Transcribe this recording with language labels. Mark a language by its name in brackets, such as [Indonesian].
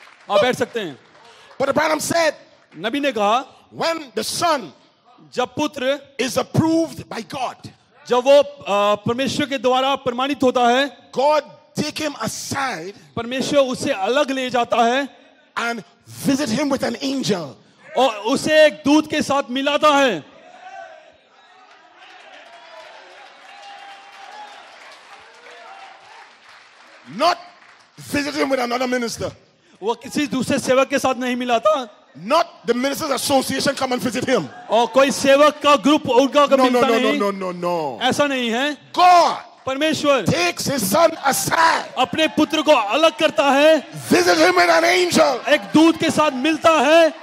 [Hindi] आप बैठ सकते हैं. [English] But Abraham said. [Hindi] नबी ने कहा. [English] When the son. [Hindi] जब पुत्र. [English] Is approved by God. [Hindi] जब वो परमेश्वर के द्वारा प्रमाणित होता है, [English] God take him aside, [Hindi] परमेश्वर उसे अलग ले जाता है, [English] and visit him with an angel, [Hindi] और उसे एक दूत के साथ मिलाता है. [English] Not visit him with another minister, [Hindi] वो किसी दूसरे सेवक के साथ नहीं मिलाता. [English] Not the minister's association come and visit him. [Hindi] Oh, koi sevak ka group unka kabhi nahi. [English] No. [Hindi] Aisa nahi hai. [English] God, [Hindi] Parmeshwar [English] takes his son aside. [Hindi] Apne putr ko alag karta hai. [English] Visit him with an angel. [Hindi] Ek dut ke saath milta hai.